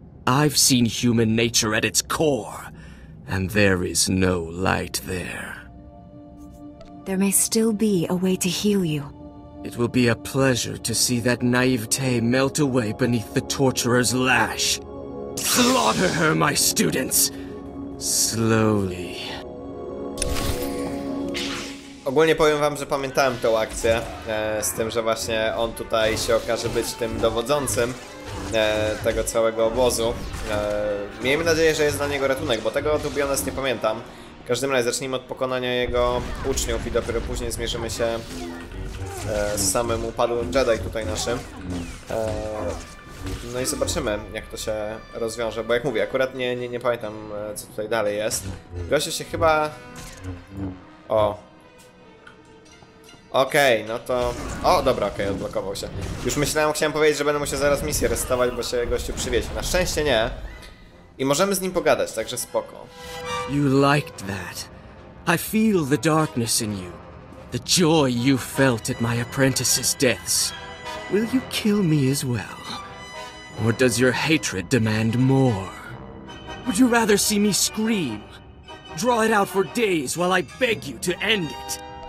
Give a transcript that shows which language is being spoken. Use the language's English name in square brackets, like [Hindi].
[English] I've seen human nature at its core, and there is no light there. There may still be a way to heal you. It will be a pleasure to see that naivete melt away beneath the torturer's lash. Slaughter her, my students! Slowly. [Polish] Ogólnie powiem wam, że pamiętałem tę akcję. Z tym, że właśnie on tutaj się okaże być tym dowodzącym tego całego obozu. Miejmy nadzieję, że jest dla niego ratunek, bo tego to Bionas nie pamiętam. W każdym razie zacznijmy od pokonania jego uczniów i dopiero później zmierzymy się z samym upadłym Jedi tutaj naszym. No i zobaczymy, jak to się rozwiąże, bo jak mówię, akurat nie pamiętam, co tutaj dalej jest. Gościu się chyba... O! Okej, okay, no to... O, dobra, okej, okay, odblokował się. Już myślałem, chciałem powiedzieć, że będę musiał zaraz misję resetować, bo się gościu przywieźli. Na szczęście nie. I możemy z nim pogadać, także spoko. [English] You liked that. I feel the darkness in you. The joy you felt at my apprentice's deaths. Will you kill me as well? Or does your hatred demand more? Would you rather see me scream? Draw it out for days while I beg you to end it?